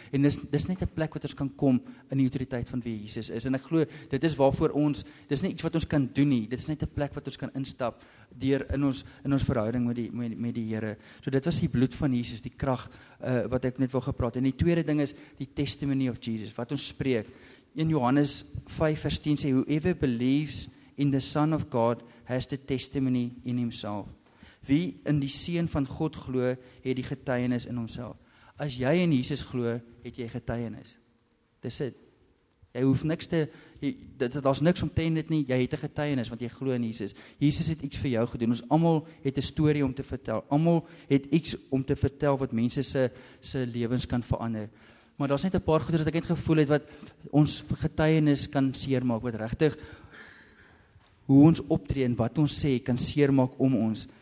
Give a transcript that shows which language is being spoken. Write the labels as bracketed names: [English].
[Afrikaans] En dis net 'n plek wat ons kan kom in die autoriteit van wie Jesus is. En ek glo, dit is waarvoor ons, dis nie iets wat ons kan doen nie, dit is net 'n plek wat ons kan instap deur in ons verhouding met die Here. So dit was die bloed van Jesus, die krag wat ek net wil gepraat. En die tweede ding is die [English] testimony of Jesus, [Afrikaans] wat ons spreek. In Johannes 5 vers 10 sê, [English] whoever believes in the Son of God has the testimony in himself. [Afrikaans] Wie in die Seun van God glo, het die getuienis in homself. As jy in Jesus glo, het jy getuienis. Dis dit. Jy hoef niks te, daar's niks om te en dit nie, jy het 'n getuienis, want jy glo in Jesus. Jesus het iets vir jou gedoen. Ons almal het 'n storie om te vertel. Almal het iets om te vertel wat mense se lewens kan verander. Maar daar's net 'n paar goeders wat ek net gevoel het wat ons getuienis kan seermaak, wat regtig hoe ons optree en wat ons sê kan seermaak om ons.